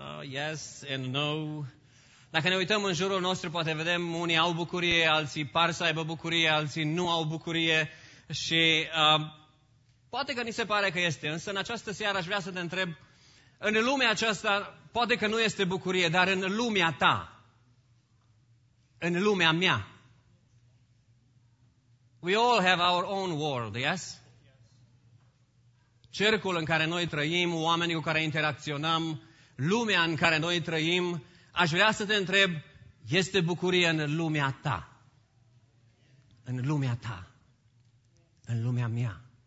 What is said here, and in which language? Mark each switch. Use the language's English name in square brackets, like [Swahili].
[English] Yes and no. [Romanian] Dacă ne uităm în jurul nostru, poate vedem unii au bucurie, alții par să aibă bucurie, alții nu au bucurie. Și poate că ni se pare că este, însă în această seară aș vrea să te întreb, în lumea aceasta poate că nu este bucurie, dar în lumea ta, în lumea mea. [English] We all have our own world, yes? [Romanian] Cercul în care noi trăim, oamenii cu care interacționăm, lumea în care noi trăim, aș vrea să te întreb, este bucurie în lumea ta? În lumea ta? În lumea mea.